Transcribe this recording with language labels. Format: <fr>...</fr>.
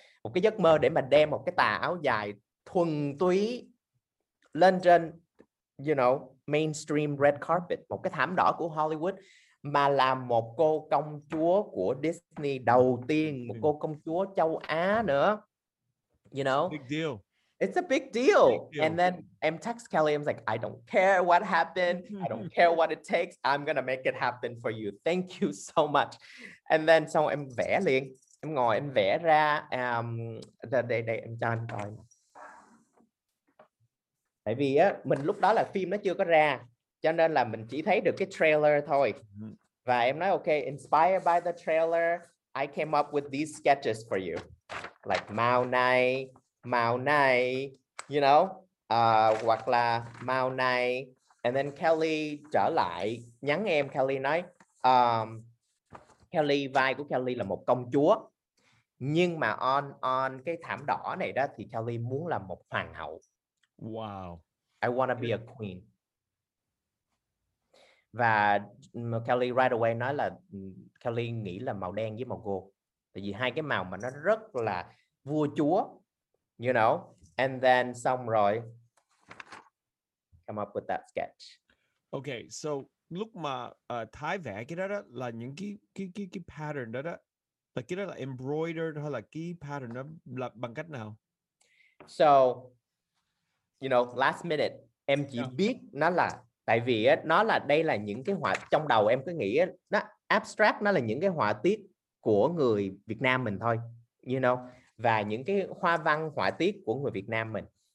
<vi>Một cái giấc mơ để mà đem một cái tà áo dài thuần túy lên trên,</vi> <en>you know, mainstream red carpet,</en> <vi>một cái thảm đỏ của Hollywood, mà là một cô công chúa của Disney đầu tiên, một cô công chúa châu Á nữa.</vi> <en>You know? Big deal. It's a big deal. And then I'm text Kelly. I'm like, I don't care what happened. I don't care what it takes. I'm going to make it happen for you. Thank you so much. And then so</en> <vi>em vẽ liền. Em ngồi em vẽ ra. Đây đây em cho anh coi. Tại vì á, mình lúc đó là phim nó chưa có ra. Cho nên là mình chỉ thấy được cái trailer thôi. Và em nói</vi> <en>okay, inspired by the trailer, I came up with these sketches for you.</en> <vi>Like màu này,</vi> <en>you know,</en> <vi>hoặc là màu này.</vi> <en>And then</en> <vi>Kelly trở lại, nhắn em, Kelly nói, Kelly, vai của Kelly là một công chúa. Nhưng mà on cái thảm đỏ này đó, thì Kelly muốn là một hoàng hậu.</vi> <en>Wow. I wanna be a queen.</en> <vi>Và Kelly right away nói là Kelly nghĩ là màu đen với màu gold. Tại vì hai cái màu mà nó rất là vua chúa,</vi> <en>you know. And then</en> <vi>xong rồi,</vi> <en>come up with that sketch.</en> <vi>Okay, so lúc mà Thái vẽ cái đó, đó là những cái pattern đó, đó. Là cái đó là embroidered hay là cái pattern đó là bằng cách nào?</vi> <en>So, you know, last minute,</en> <vi>em chỉ biết nó là, tại vì nó là đây là những cái họa trong đầu em cứ nghĩ nó abstract, nó là những cái họa tiết của người Việt Nam mình thôi,</vi> <en>you know,</en> <vi>và những cái hoa văn họa tiết của người Việt Nam mình.</vi>